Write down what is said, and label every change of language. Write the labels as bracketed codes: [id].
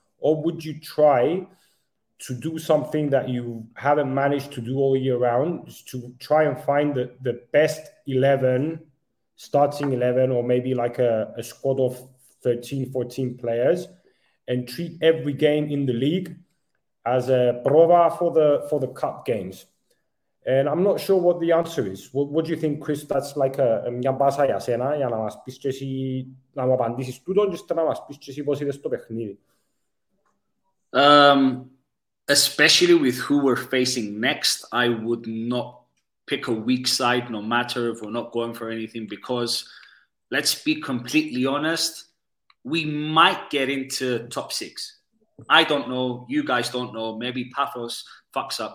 [en] Or would you try to do something that you haven't managed to do all year round, is to try and find the best 11, starting 11, or maybe like a squad of 13, 14 players, and treat every game in the league as a prova for the cup games? And I'm not sure what the answer is. What do you think, Chris? That's like [el] μια μπάσα για σένα, για να μας πεις και εσύ, να μου απαντήσεις τούτον, [en] just [el] να μας πεις και εσύ πώς είδες το παιχνίδι. [en] Especially with who we're facing next, I would not pick a weak side, no matter if we're not going for anything, because let's be completely honest, we might get into top six. I don't know. You guys don't know. Maybe Paphos fucks up.